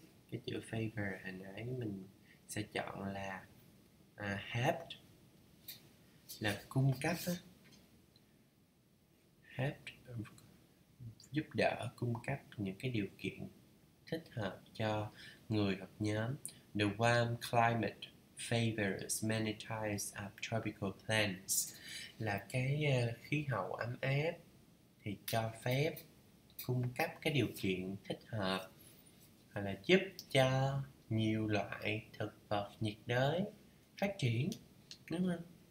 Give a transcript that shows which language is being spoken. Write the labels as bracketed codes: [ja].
[vi] Cái chữ favor hồi nãy mình sẽ chọn là help, là cung cấp á. Help, giúp đỡ, cung cấp những cái điều kiện thích hợp cho người hoặc nhóm. [en] The warm climate favors many types of tropical plants. [vi] Là cái khí hậu ấm áp thì cho phép, cung cấp cái điều kiện thích hợp hoặc là giúp cho nhiều loại thực vật nhiệt đới phát triển, đúng không?